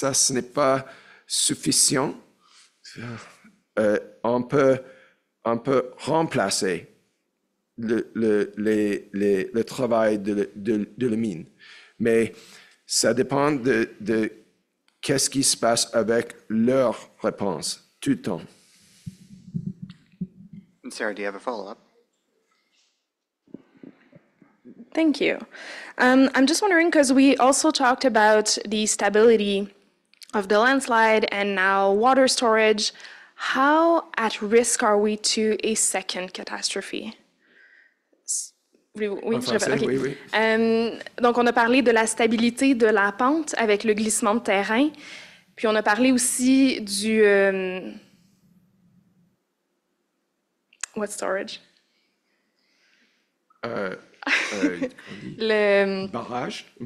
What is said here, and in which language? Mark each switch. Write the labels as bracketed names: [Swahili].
[French] n'est pas suffisant, on peut remplacer le travail de la mine. Mais ça dépend de qu'est-ce qui se passe avec leur réponse tout le temps. [English] And Sarah, do you have a follow-up? Thank you. I'm just wondering, because we also talked about the stability of the landslide and now water storage. How at risk are we to a second catastrophe? [French] Oui, en français, okay. Oui. Donc, on a parlé de la stabilité de la pente avec le glissement de terrain. Puis on a parlé aussi du [English] what storage? [French] le barrage.